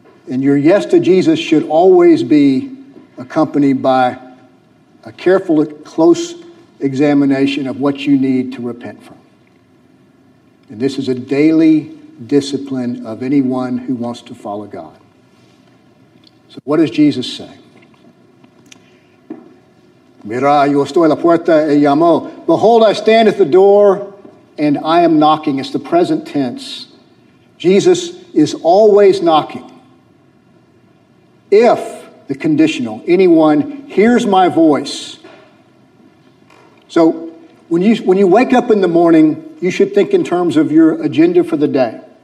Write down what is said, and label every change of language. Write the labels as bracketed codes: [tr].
[en] And your yes to Jesus should always be accompanied by a careful, close examination of what you need to repent from. And this is a daily discipline of anyone who wants to follow God. So what does Jesus say? [es] Mira, yo estoy a la puerta y llamo. [en] Behold, I stand at the door and I am knocking. It's the present tense. Jesus is always knocking. If, the conditional, anyone hears my voice. So when you wake up in the morning, you should think in terms of your agenda for the day.